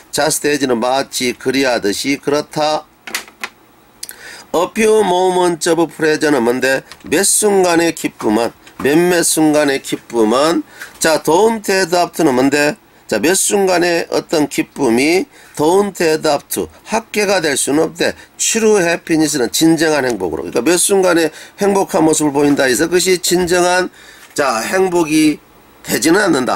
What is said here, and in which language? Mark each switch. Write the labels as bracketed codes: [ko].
[en] just as [ko] 는 마치 그리하듯이 그렇다. [en] A few moments of pleasure는 [ko] 뭔데? 몇 순간의 기쁨은, 몇몇 순간의 기쁨은, 자, [en] don't add up to [ko] 는 뭔데? 자, 몇 순간의 어떤 기쁨이 [en] don't add up to [ko] 학계가 될 수는 없대. [en] True happiness [ko] 는 진정한 행복으로. 그러니까 몇 순간의 행복한 모습을 보인다 해서 그것이 진정한 자 행복이 되지는 않는다.